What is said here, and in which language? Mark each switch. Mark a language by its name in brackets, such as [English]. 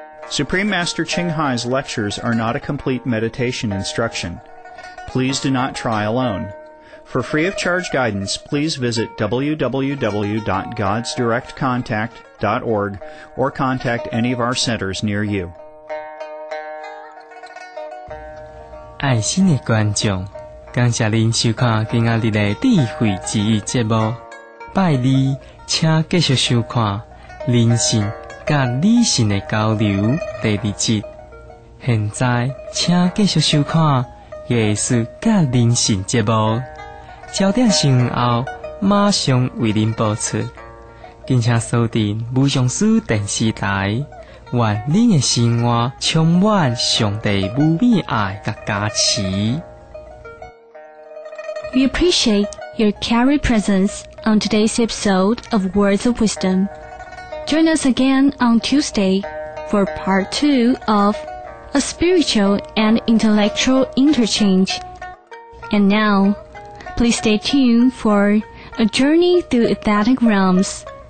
[English] Supreme Master Qinghai's lectures are not a complete meditation instruction. Please do not try alone. For free of charge guidance, please visit www.godsdirectcontact.org or contact any of our centers near you. [Chinese] 爱心的观众，感谢您收看今天的智慧之语节目。拜礼，请继续收看人性和理性的交流第二集。现在，请继续收看艺术和人性节目。焦点新闻后，马上为您播出。敬请收听无上师电视台。愿您的生活充满上帝无比爱和加持。 [English] We appreciate your caring presence on today's episode of Words of Wisdom. Join us again on Tuesday for part 2 of A Spiritual and Intellectual Interchange. And now, please stay tuned for A Journey Through Aesthetic Realms.